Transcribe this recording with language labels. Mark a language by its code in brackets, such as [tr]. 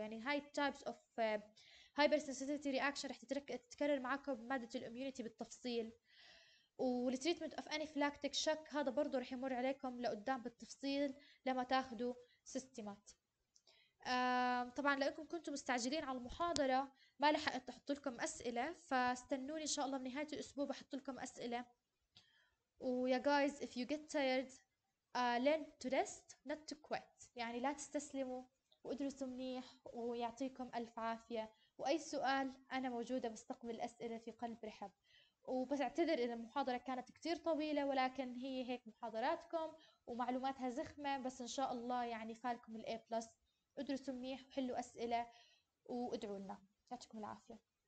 [ar] يعني هاي التايبس اوف hypersensitivity reaction رح تتكرر معكم بمادة الاميونيتي بالتفصيل، والتريتمنت اوف انفلاكتيك شك هذا برضو رح يمر عليكم لقدام بالتفصيل لما تاخدوا سيستمات. طبعا لأنكم كنتم مستعجلين على المحاضرة ما لحقت احط لكم اسئلة، فاستنوني ان شاء الله من نهاية الاسبوع بحط لكم اسئلة. [en] ويا guys if you get tired learn to rest not to quit، [ar] يعني لا تستسلموا وادرسوا منيح، ويعطيكم الف عافية. وأي سؤال أنا موجودة بستقبل الأسئلة في قلب رحب، وبعتذر إن المحاضرة كانت كتير طويلة، ولكن هي هيك محاضراتكم ومعلوماتها زخمة، بس إن شاء الله يعني فالكم الـ A+. ادرسوا منيح وحلوا أسئلة وادعوا لنا، يعطيكم العافية.